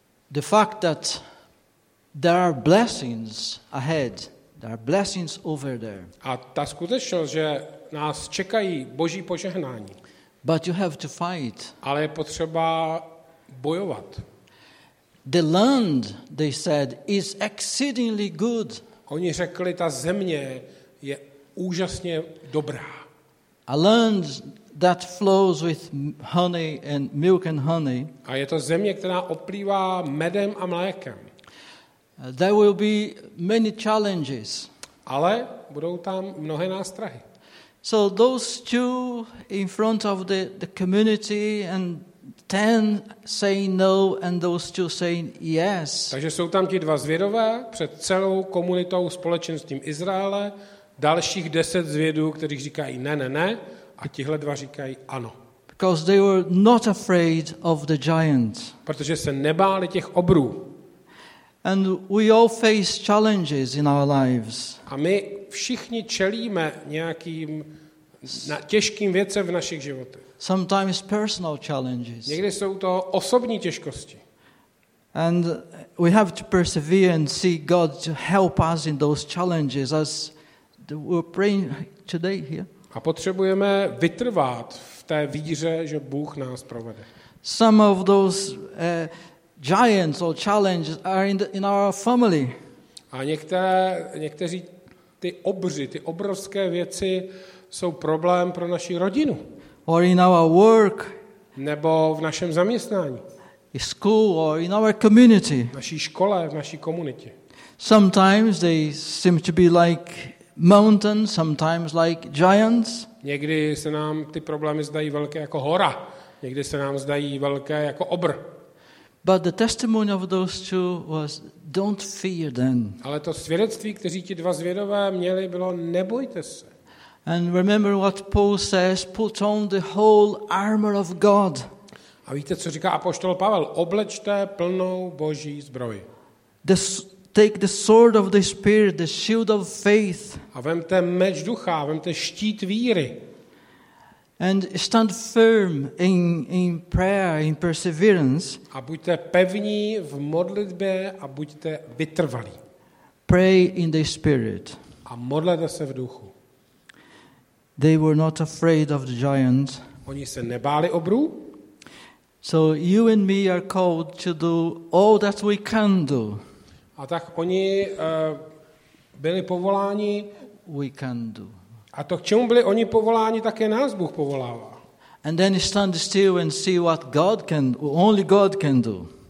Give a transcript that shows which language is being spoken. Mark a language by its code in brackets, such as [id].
[en] The fact that there are blessings ahead, there are blessings over there. [cs] A ta skutečnost, že nás čekají Boží požehnání. [en] But you have to fight. [cs] Ale je potřeba bojovat. [en] The land, they said, is exceedingly good. [cs] Oni řekli, ta země je úžasně dobrá. [en] A land that flows with honey and milk and honey. [cs] A je to země, která oplývá medem a mlékem. [en] There will be many challenges. [cs] Ale budou tam mnohé nástrahy. [en] So those two in front of the community and 10 say no and those two say yes. [cs] Takže jsou tam ti dva zvědové před celou komunitou společenstvím Izraele, dalších 10 zvědů, kteří říkají ne, a tihle dva říkají ano. [en] Because they were not afraid of the giants. [cs] Protože se nebáli těch obrů. [en] And we all face challenges in our lives. [cs] A my všichni čelíme nějakým těžkým věcem v našich životech. [en] Sometimes personal challenges. [cs] Někdy jsou to osobní těžkosti. [en] And we have to persevere and see God to help us in those challenges as we're praying today here. [cs] A potřebujeme vytrvat v té víře, že Bůh nás provede. [en] Some of those giants or challenges are in our family. [cs] A někteří ty obři, ty obrovské věci jsou problém pro naši rodinu. [en] Or in our work. [cs] Nebo v našem zaměstnání. [en] In school or in our community. [cs] V naší škole, v naší komunitě. [en] Sometimes they seem to be like mountains, sometimes like giants. [cs] Někdy se nám ty problémy zdají velké jako hora. Někdy se nám zdají velké jako obr. [en] But the testimony of those two was don't fear them. [cs] Ale to svědectví, které ti dva zvědové měli, bylo nebojte se. [en] And remember what Paul says, put on the whole armor of God. [cs] A víte, co říká apoštol Pavel? Oblečte plnou Boží zbroj. [en] Take the sword of the spirit, the shield of faith. [cs] A vemte meč ducha, vemte štít víry. [en] And stand firm in prayer, in perseverance. [cs] A buďte pevní v modlitbě a buďte vytrvalí. [en] Pray in the spirit. [cs] A modlete se v duchu. [en] They were not afraid of the giants. [cs] Oni se nebáli obrů. [en] So you and me are called to do all that we can do. [cs] A tak oni byli povoláni. [en] We can do. [cs] A to, k čemu byli oni povoláni, také nás Bůh povolává. [en] And then stand still and see what God can, only God can do.